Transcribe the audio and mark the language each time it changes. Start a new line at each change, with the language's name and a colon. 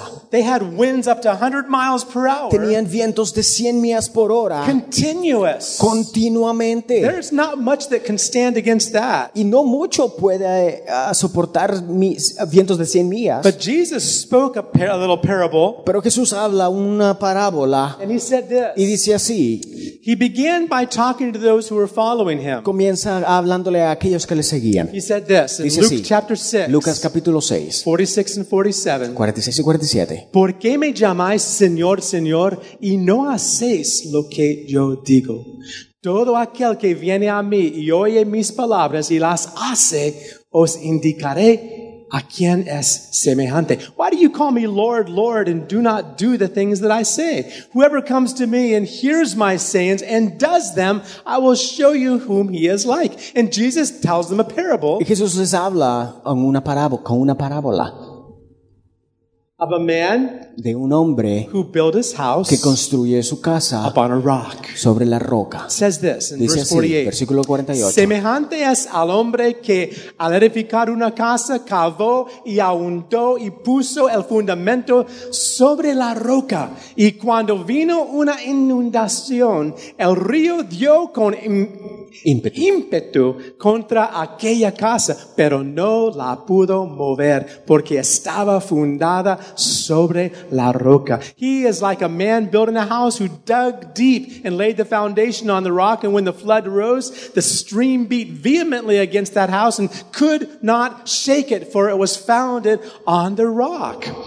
English: They had wind up to 100 miles per hour.
Spanish: Tenían vientos de 100 millas por hora.
English: Continuous.
Spanish: Continuamente.
English: There's not much that can stand against that.
Spanish: Y no mucho puede soportar vientos de 100 millas.
English: But Jesus spoke a little parable.
Spanish: Pero Jesús habla una parábola.
English: And he said this.
Spanish: Y dice así.
English: He began by talking to those who were following him.
Spanish: Comienza hablándole a aquellos que le seguían.
English: He said this. In
Spanish: dice
English: Luke
Spanish: así,
English: chapter 6.
Spanish: Lucas capítulo 6.
English: 46 and 47.
Spanish: ¿Por qué me llamáis Señor, Señor, y no hacéis lo que yo digo? Todo aquel que viene a mí y oye mis palabras y las hace, os indicaré a quien es semejante.
English: Why do you call me Lord, Lord, and do not do the things that I say? Whoever comes to me and hears my sayings and does them, I will show you whom he is like. And Jesus tells them a parable.
Spanish: Y Jesús les habla con una parábola.
English: Of a man,
Spanish: de un hombre,
English: who built his house,
Spanish: que construye su casa,
English: upon a rock,
Spanish: sobre la roca.
English: Says this in
Spanish: dice
English: verse 48,
Spanish: así, versículo 48. Semejante es al hombre que al edificar una casa cavó y ahondó y puso el fundamento sobre la roca. Y cuando vino una inundación, el río dio con ímpetu contra aquella casa, pero no la pudo mover porque estaba fundada sobre la roca.
English: He is like a man building a house who dug deep and laid the foundation on the rock, and when the flood rose, the stream beat vehemently against that house and could not shake it, for it was founded on the rock.